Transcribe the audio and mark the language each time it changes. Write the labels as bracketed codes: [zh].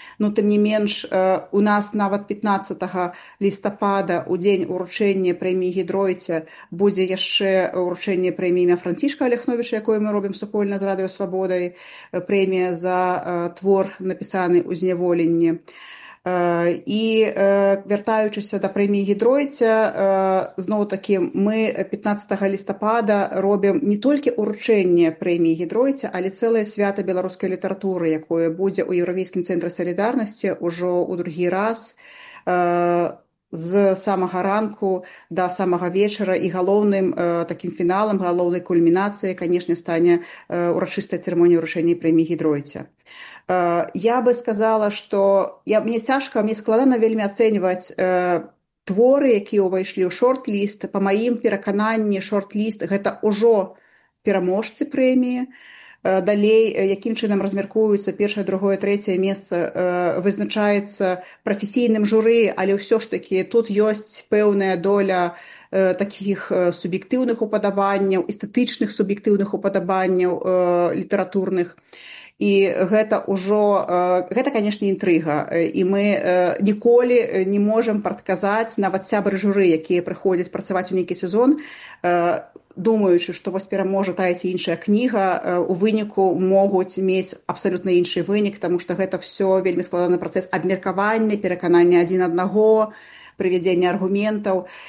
[be] Ну, тым не менш, у нас нават 15 лістапада, у дзень уручэння прэміі Гідройця, будзе яшчэ уручэнне прэміі імя Францішка Алехновіча, якое мы робім супольна з Радыё Свабодай, прэмія за твор, напісаны ў зняволенні. [uk] І вертаючися до премії Гідройця, знову таки, ми 15 листопада робимо не тільки уручення премії Гідройця, але ціле свято білоруської літератури, якою буде у Європейському центрі солідарності уже у другий раз з самого ранку до самого вечора. І головним таким фіналом, головною кульмінацією, звісно, стане урочиста церемонія уручення премії Гідройця. Я би сказала, що мені тяжко, мені складно вельми оцінювати твори, які увійшли у шорт-ліст. По моїм переконанні, шорт-ліст – це уже переможці премії. Далі, яким чином розміркуються перше, друге, третє місце, визначається професійним журі, але все ж таки тут є певна доля таких суб'єктивних уподобанняў, естетичних суб'єктивних уподобанняў літературних. [be] І гэта ўжо, гэта, канешне, інтрыга. І мы ніколі не можам прадказаць, нават сябры журы, якія прыходзяць працаваць у нейкі сезон, думаючы, што вось пераможа тая ці іншая кніга, у выніку могуць мець абсалютна іншы вынік, таму што гэта ўсё вельмі складаны працэс абмеркавання, пераканання адзін аднаго, прывядзення аргументаў.